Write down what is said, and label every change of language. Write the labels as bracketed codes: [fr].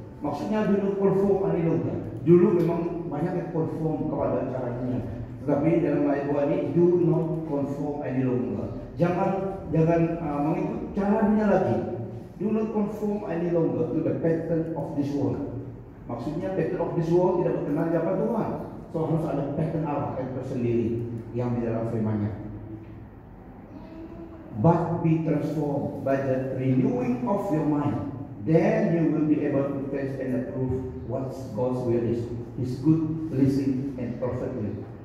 [id] Maksudnya [en] do not conform any longer. [id] Dulu memang banyak yang conform kepada caranya, tetapi dalam ayat Tuhan ini do not conform any longer. Jangan mengikut caranya lagi. [en] Do not conform any longer to the pattern of this world. [id] Maksudnya [en] pattern of this world [id] tidak berkenan dengan Tuhan. So harus ada pattern Allah yang tersendiri yang di dalam firman-Nya. [en] But be transformed by the renewing of your mind. Then you will be able to test and approve what God's will is, His good, pleasing, and perfect will.